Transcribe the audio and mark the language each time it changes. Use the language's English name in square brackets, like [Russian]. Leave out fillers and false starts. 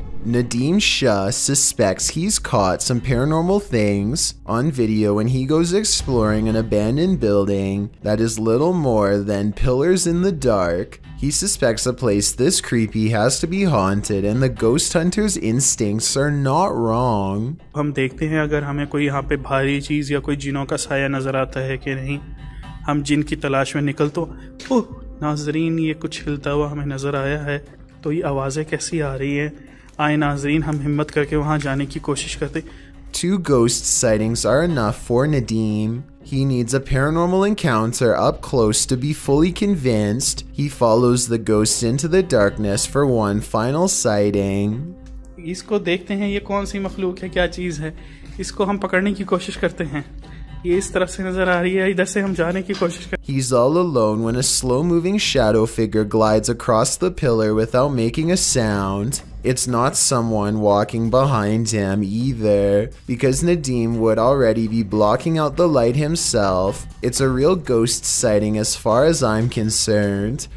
[English] Nadim Shah suspects he's caught some paranormal things on video when he goes exploring an abandoned building that is little more than pillars in the dark. He suspects a place this creepy has to be haunted, and the ghost hunter's instincts are not wrong. [Hindi] हम देखते हैं अगर हमें कोई यहाँ पे भारी चीज़ या कोई जिनों का साया नज़र आता है कि नहीं। हम जिन की तलाश में निकल तो, ओह, नाज़रीन ये कुछ हिलता हुआ हमें नज़र आया है। तो ये आवाज़ें कैसी आ रही हैं? आए नाज़रीन हम हिम्मत करके वहाँ जाने की कोशिश करते। [English] Two ghost sightings are enough for Nadim. He needs a paranormal encounter up close to be fully convinced. He follows the ghost into the darkness for one final sighting. [Hindi] इसको देखते हैं ये कौन सी मखलूक है क्या चीज है इसको हम पकड़ने की कोशिश करते हैं ये इस तरफ से नजर आ रही है इधर से हम जाने की कोशिश करते [English] He's all alone when a slow-moving shadow figure glides across the pillar without making a sound. It's not someone walking behind him either, because Nadim would already be blocking out the light himself. It's a real ghost sighting as far as I'm concerned.